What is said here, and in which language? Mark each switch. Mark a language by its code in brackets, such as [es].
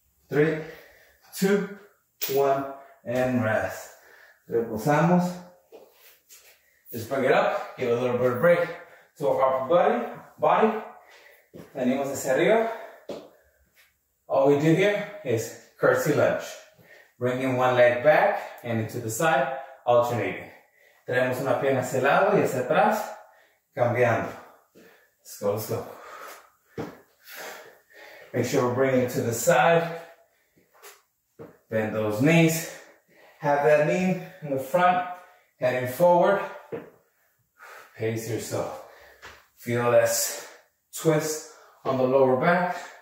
[en] 3, 2, 1, and rest. [es] Reposamos. [en] Just bring it up. Give a little bit of break to our upper body. [es] Venimos hacia arriba. [en] All we do here is curtsy lunge. Bringing one leg back and into the side, alternating. [es] Tenemos una pierna hacia el lado y hacia atrás, cambiando. [en] Let's go, let's go. Make sure we're bringing it to the side. Bend those knees. Have that knee in the front, heading forward. Pace yourself. Feel this twist on the lower back.